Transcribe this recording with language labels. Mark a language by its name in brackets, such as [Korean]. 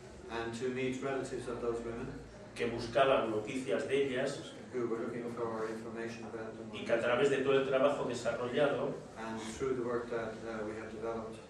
[English] and to meet relatives of those women, [Spanish] que buscaban noticias de ellas [English] who were looking for our information about them, [Spanish] y que a través de todo el trabajo desarrollado [English] and through the work that, we have developed,